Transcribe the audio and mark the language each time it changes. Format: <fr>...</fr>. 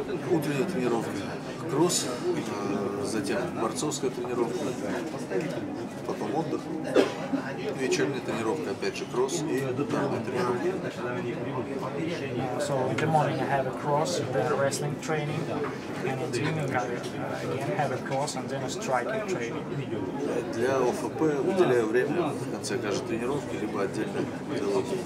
<ru>Утренняя тренировка, кросс, затем борцовская тренировка, потом отдых, вечерняя тренировка, опять же кросс и утренняя тренировка.</ru> <en>So in the morning I have a cross, then a wrestling training, and in the evening I again have a cross and then a striking training.</en> <ru>Для ОФП уделяю время в конце каждой тренировки либо отдельно делаю.</ru>